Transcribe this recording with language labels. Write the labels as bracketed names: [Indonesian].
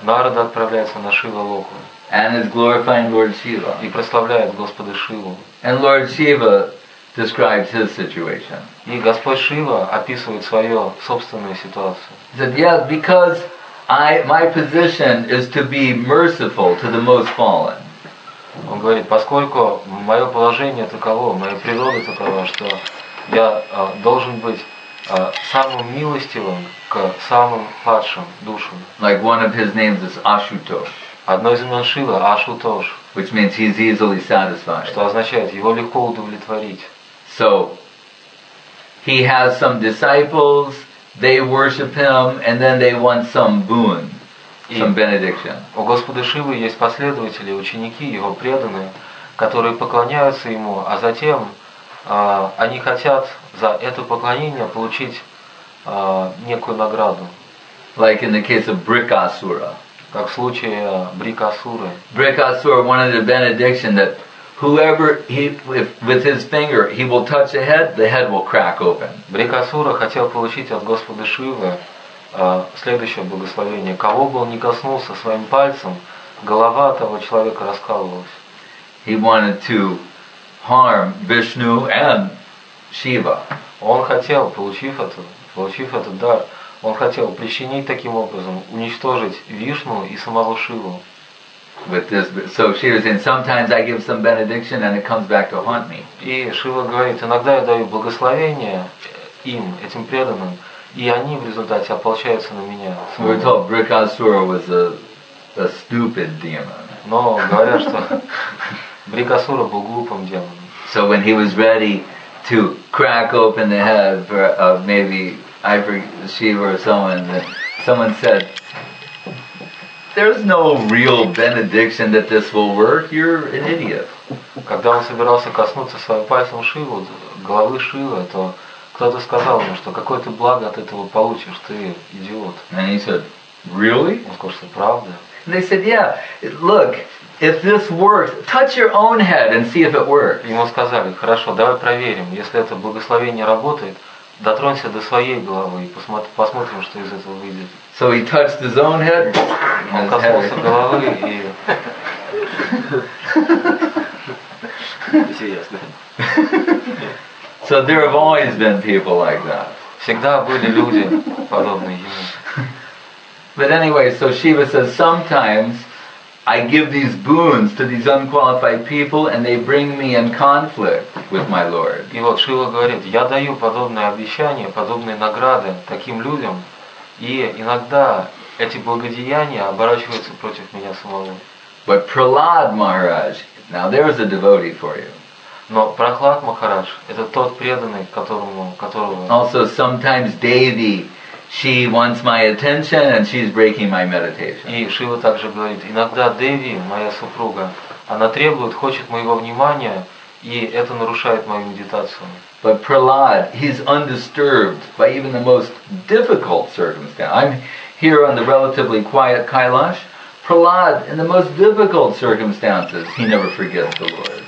[Russian] Narada отправляется на Шива Локу. [English] And is glorifying Lord Shiva. [Russian] И прославляет Господа Шиву. [English] And Lord Shiva describes his situation. [Russian] И Господь Шива описывает свою собственную ситуацию. [English] He said, yes, because my position is to be merciful to the most fallen. [Russian] Он говорит, поскольку мое положение таково, моя природа такова, что я должен быть самым милостивым к самым падшим душам. [English] Like one of his names is Ashutosh. [Russian] Одно из имен Шива Ашутош. [English] Which means he's easily satisfied. [Russian] Что означает, его легко удовлетворить. [English] So he has some disciples, they worship him, and then they want some boon, some benediction. [Russian] У Господа Шивы есть последователи, ученики, его преданные, которые поклоняются ему, а затем они хотят за это поклонение получить некую награду. [English] Like in the case of Brikasura. [Russian] Как в случае Брикасуры. [English] Brikasura wanted a benediction that whoever he if with his finger he will touch a head, the head will crack open. [Russian] Брикасура хотел получить от Господа Шивы следующее благословение. Кого бы он ни коснулся своим пальцем, голова того человека раскалывалась. [English] He wanted to harm Vishnu and Shiva. [Russian] Он хотел, получив этот дар, он хотел причинить таким образом, уничтожить Вишну и самого Шиву. [English] With this, so she was saying, sometimes I give some benediction and it comes back to haunt me. [Russian] И Шива говорит, иногда я даю благословение им, этим преданным, и они в результате ополчаются на меня. [English] We're told Брикасура was a stupid demon. [Russian] Но говорят, что Брикасура был глупым демоном. [English] So when he was ready to crack open the head for maybe Shiva or someone said, there's no real benediction that this will work. You're an idiot. [Russian] Когда он собирался коснуться своим пальцем Шивы, головы Шивы, то кто-то сказал ему, что какое ты благо от этого получишь, ты идиот. [English] And he said, really? [Russian] Он сказал, что правда. [English] And they said, yeah, look, if this works, touch your own head and see if it works. [Russian] Ему сказали, хорошо, давай проверим, если это благословение работает, дотронься до своей головы и посмотрим, что из этого выйдет. [English] So he touched his own head. [Russian] Он коснулся головы и... Все ясно. [English] So there have always been people like that. [Russian] Всегда были люди подобные ему. [English] But anyway, so Shiva says, sometimes I give these boons to these unqualified people and they bring me in conflict with my Lord. [Russian] И вот Шива говорит, я даю подобные обещания, подобные награды таким людям, и иногда эти благодеяния оборачиваются против меня самого. [English] But Prahlad Maharaj, now there's a devotee for you. [Russian] Но Прохлад Махарадж, это тот преданный, которого... [English] Also sometimes Devi, she wants my attention and she's breaking my meditation. [Russian] И Шива также говорит, иногда Деви, моя супруга, она требует, хочет моего внимания, и это нарушает мою медитацию. [English] But Prahlad, he's undisturbed by even the most difficult circumstance. I'm here on the relatively quiet Kailash. Prahlad, in the most difficult circumstances, he never forgets the Lord.